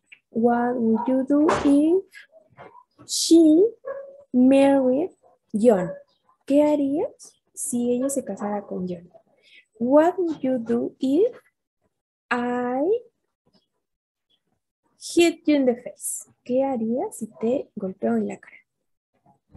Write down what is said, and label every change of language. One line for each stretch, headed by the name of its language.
English: What would you do if she married John?
Spanish: ¿Qué harías si ella se casara con John?
English: What would you do if I hit you in the face?
Spanish: ¿Qué harías si te golpeo en la cara?